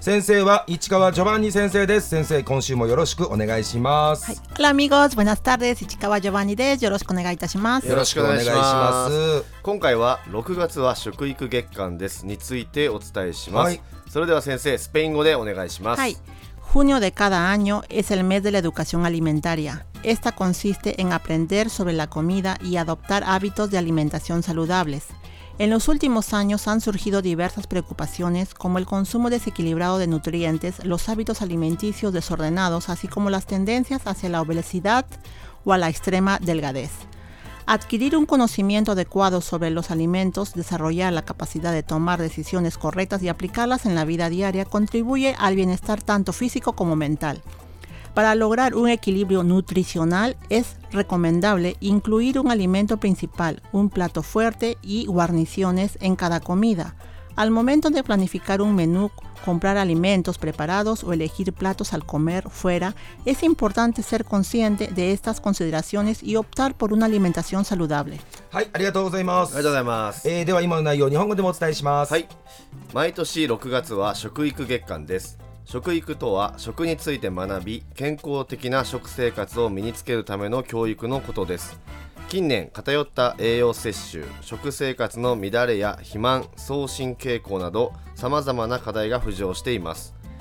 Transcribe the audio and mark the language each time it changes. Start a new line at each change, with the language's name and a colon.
Japanese: 先生は市川ジョバンニ先生です。先生今週もよろしくお願いします。はい、ラミゴーズ、ブナスタルです。市川ジョバンニです。よろしくお願いいたします。よろしくお願いします。今回は6月は食育月間ですについてお伝えします。はい、それでは先生スペイン語でお願いします。
Spanish: はい、Junio de cada año es el mes de la educación alimentaria. Esta consiste en aprender sobre la comida y adoptar hábitos de alimentación saludables. En los últimos años han surgido diversas preocupaciones como el consumo desequilibrado de nutrientes, los hábitos alimenticios desordenados, así como las tendencias hacia la obesidad o a la extrema delgadez. Adquirir un conocimiento adecuado sobre los alimentos, desarrollar la capacidad de tomar decisiones correctas y aplicarlas en la vida diaria contribuye al bienestar tanto físico como mental. Para lograr un equilibrio nutricional es recomendable incluir un alimento principal, un plato fuerte y guarniciones en cada comida. Al momento de planificar un menú, comprar alimentos preparados o elegir platos al comer fuera, es importante ser consciente de estas consideraciones y optar por una alimentación saludable.
Japanese: はい、ありがとうございます。ありがとうございます。では今の内容を日本語でもお伝えします。はい、毎年6月は食育月間です。食育とは食について学び、健康的な食生活を身につけるための教育のことです。近年偏った栄養摂取、食生活の乱れや肥満、躁進傾向など様々な課題が浮上しています。